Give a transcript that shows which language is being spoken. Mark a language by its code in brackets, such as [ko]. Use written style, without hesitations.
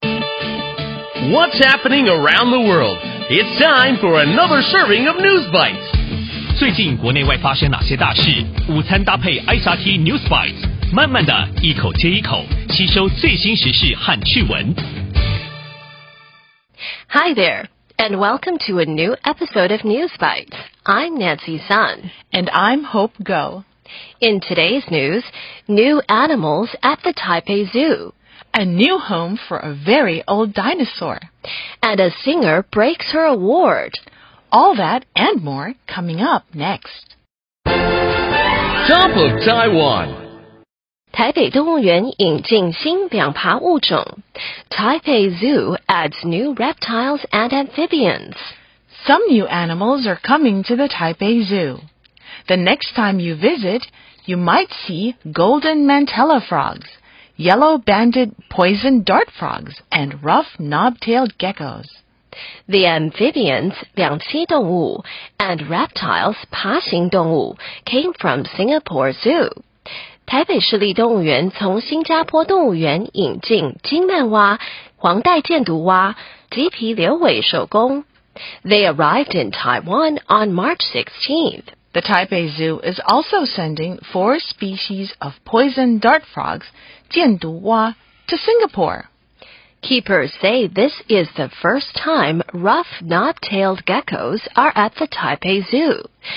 [en] What's happening around the world? It's time for another serving of News Bites. [zh] 最近国内外发生哪些大事？午餐搭配 ISRT News Bites， 慢慢的一口接一口，吸收最新时事和趣闻。 [en] Hi there, and welcome to a new episode of News Bites. I'm Nancy Sun. And I'm Hope Go. In today's news, new animals at the Taipei Zoo. A new home for a very old dinosaur. And a singer breaks her award. All that and more coming up next. Top of Taiwan. [zh] 台北动物园引进新两爬物种。 [en] Taipei Zoo adds new reptiles and amphibians. Some new animals are coming to the Taipei Zoo. The next time you visit, you might see golden mantella frogs. Yellow-banded poison dart frogs and rough knob-tailed geckos. The amphibians, 两栖动物, and reptiles, 爬行动物, came from Singapore Zoo. [zh] 台北市立动物园从新加坡动物园引进金曼蛙、黄带箭毒蛙、棘皮瘤尾手工。 [en] They arrived in Taiwan on March 16th. The Taipei Zoo is also sending four species of poison dart frogs, 箭毒蛙, to Singapore. Keepers say this is the first time rough knob-tailed geckos are at the Taipei Zoo.